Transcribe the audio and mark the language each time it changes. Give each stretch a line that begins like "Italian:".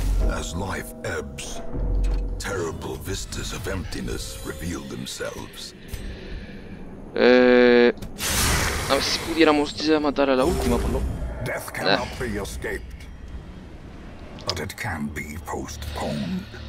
English: As life ebbs, terrible vistas of emptiness reveal themselves.
Spanish: A ver si pudiéramos ya matar a la última, por lo.
English: Death cannot be escaped, but it can be postponed.